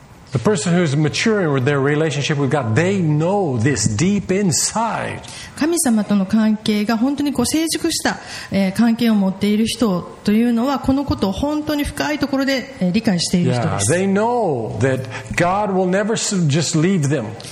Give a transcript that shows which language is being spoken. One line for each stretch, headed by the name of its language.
English: The person who is maturing with their relationship with God, they know this deep inside.
Japanese: 神様との関係が本当にこう成熟した関係を持っている人というのはこのことを本当に深いところで理解している人です。
English: Yeah, they know that God will never just leave them.